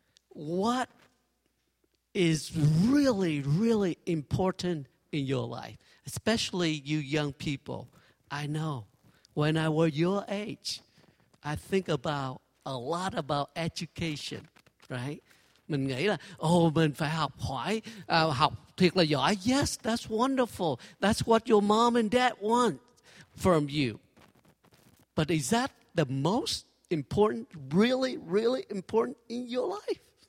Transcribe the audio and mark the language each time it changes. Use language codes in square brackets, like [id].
[en] What is really, really important in your life? Especially you young people. I know when I was your age, I think about a lot about education, right? [vi] Mình nghĩ là, mình phải học hỏi, học thiệt là giỏi. [en] Yes, that's wonderful. That's what your mom and dad want from you. But is that the most important, really, really important in your life?